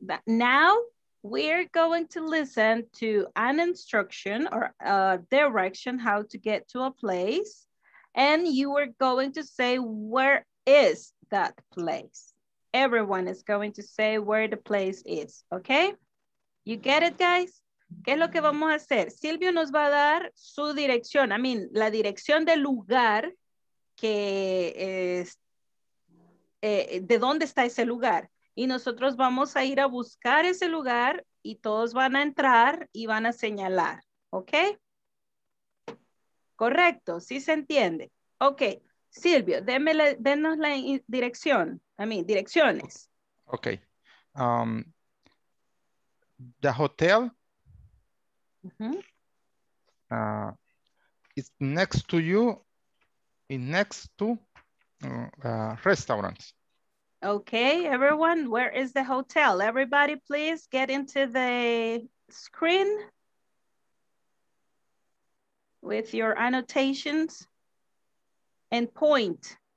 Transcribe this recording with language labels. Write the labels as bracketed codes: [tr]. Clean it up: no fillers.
[en] That now we're going to listen to an instruction or a direction how to get to a place, and you are going to say, where is that place? Everyone is going to say where the place is, okay? You get it, guys? [es] ¿Qué es lo que vamos a hacer? Silvio nos va a dar su dirección, [en] I mean, [es] la dirección del lugar que es, de dónde está ese lugar. Y nosotros vamos a ir a buscar ese lugar y todos van a entrar y van a señalar, ¿ok? Correcto, sí se entiende. Ok, Silvio, denos la dirección, a mí, direcciones. Ok. [en] The hotel is next to you, is next to restaurants. Okay, everyone, where is the hotel? Everybody, please get into the screen with your annotations and point.